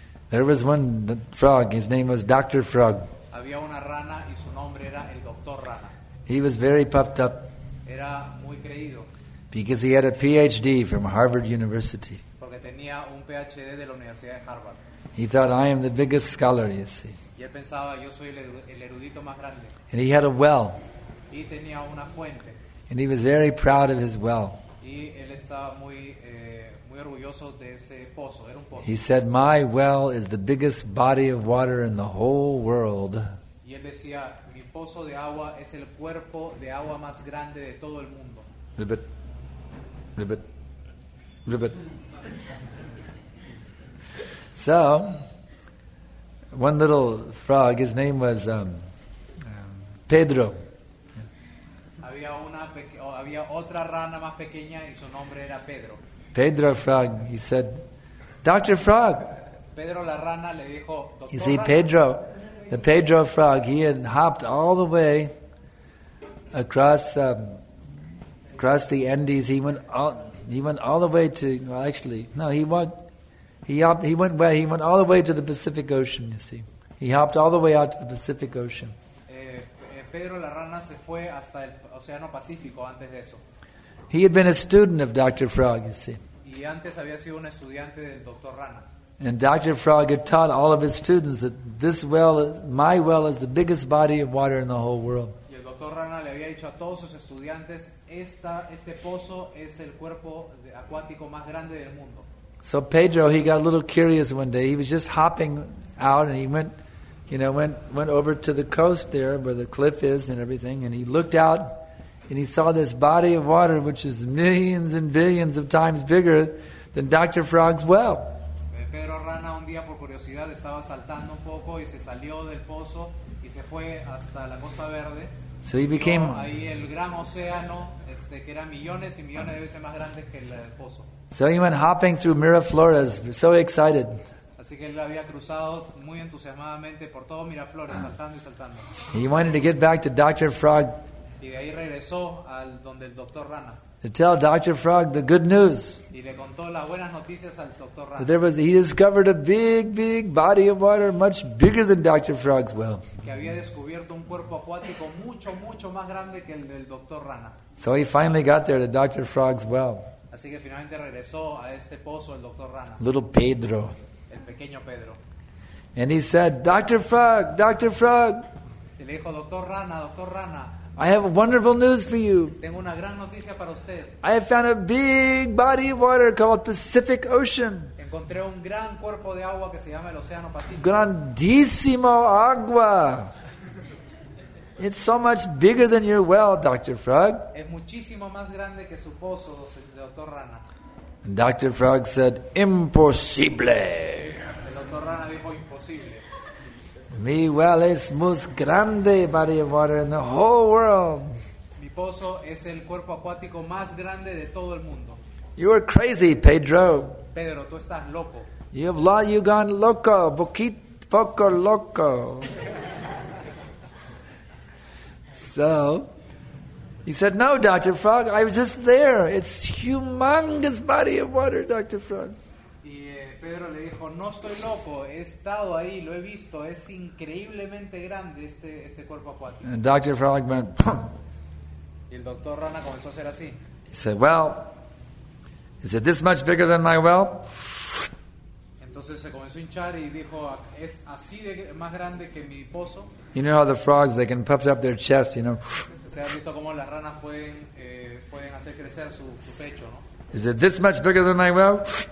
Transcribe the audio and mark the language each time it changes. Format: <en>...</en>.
<en>There was one frog, his name was Dr. Frog.</en> <es>Había una rana y su nombre era el Dr. Rana.</es> <en>He was very puffed up.</en> <es>Era muy creído.</es> <en>Because he had a PhD from Harvard University.</en> <es>Porque tenía un PhD de la Universidad de Harvard.</es> <en>He thought, I am the biggest scholar, you see.</en> <es>Y él pensaba, yo soy el erudito más grande.</es> <en>And he had a well.</en> <es>Y tenía una fuente.</es> <en>And he was very proud of his well.</en> <es>Y él estaba muy orgulloso de ese pozo. Era un pozo.</es> <en>He said, my well is the biggest body of water in the whole world.</en> <es>Y él decía, mi pozo de agua es el cuerpo de agua más grande de todo el mundo.</es> <en>Ribbit. Ribbit. Ribbit. So, one little frog, his name was Pedro.</en> <es>Había otra rana más pequeña y su nombre era Pedro.</es> <en>Pedro Frog, he said, Dr. Frog.</en> <es>Pedro la rana le dijo, Doctor,</es> <en>you see, Pedro, the Pedro Frog, he had hopped all the way across the Andes. He went all the way to the Pacific Ocean, you see. He hopped all the way out to the Pacific Ocean.</en> <es>Pedro la Rana se fue hasta el Océano Pacífico antes de eso.</es> <en>He had been a student of Dr. Frog, you see.</en> <es>Y antes había sido un estudiante del Dr. Rana.</es> <en>And Dr. Frog had taught all of his students that this well, my well, is the biggest body of water in the whole world.</en> <es>Y el Dr. Rana le había dicho a todos sus estudiantes, este pozo es el cuerpo acuático más grande del mundo.</es> <en>So Pedro, he got a little curious one day. He was just hopping out and he went, you know, went over to the coast there where the cliff is and everything, and he looked out and he saw this body of water which is millions and billions of times bigger than Dr. Frog's well.</en> <es>Pedro Rana un día por curiosidad estaba saltando un poco y se salió del pozo y se fue hasta la Costa Verde.</es> <en>So he became</en> <es>ahí el gran océano, que era millones y millones de veces más grande que el pozo.</es> <en>So he went hopping through Miraflores, so excited.</en> <es>Así que él había cruzado muy entusiasmadamente por todo Miraflores, saltando y saltando.</es> <en>He wanted to get back to Dr. Frog.</en> <es>Y de ahí regresó al donde el Dr. Rana.</es> <en>To tell Dr. Frog the good news.</en> <es>Y le contó las buenas noticias al Dr. Rana.</es> <en>That there was, he discovered a big, big body of water much bigger than Dr. Frog's well.</en> <es>Que había descubierto un cuerpo acuático mucho, mucho más grande que el del Dr. Rana.</es> <en>So he finally got there to Dr. Frog's well.</en> <es>Así que finalmente regresó a este pozo el Dr. Rana.</es> <en>Little Pedro.</en> <es>El pequeño Pedro.</es> <en>And he said, Dr. Frog, Dr. Frog.</en> <es>Y le dijo, Dr. Rana, Dr. Rana.</es> <en>I have wonderful news for you.</en> <es>Tengo una gran noticia para usted.</es> <en>I have found a big body of water called Pacific Ocean.</en> <es>Encontré un gran cuerpo de agua que se llama el Océano Pacífico. Grandísimo agua.</es> <en>It's so much bigger than your well, Dr. Frog.</en> <es>Es muchísimo más grande que su pozo, Dr. Rana.</es> <en>And Dr. Frog said, "Imposible."</en> <es>El Dr. Rana dijo, "Imposible." Mi</es> <en>well</en> <es>es más grande</es> <en>body of water in the whole world.</en> <es>Mi pozo es el cuerpo acuático más grande de todo el mundo.</es> <en>You are crazy, Pedro.</en> <es>Pedro, tú estás loco.</es> <en>You've gone loco,</en> <es>poquito poco loco.</es> <en>So, he said, "No, Dr. Frog, I was just there. It's humongous body of water, Dr. Frog."</en> <es>Y Pedro le dijo, "No estoy loco. He estado ahí, lo he visto. Es increíblemente grande este cuerpo acuático."</es> <en>And Dr. Frog went, "Pum."</en> <es>Y el Dr. Rana comenzó a hacer así.</es> <en>He said, "Well, is it this much bigger than my well?"</en> <es>Entonces se comenzó a hinchar y dijo, "Es así de más grande que mi pozo."</es> <en>You know how the frogs, they can puff up their chest, you know. Is it this much bigger than my well?</en>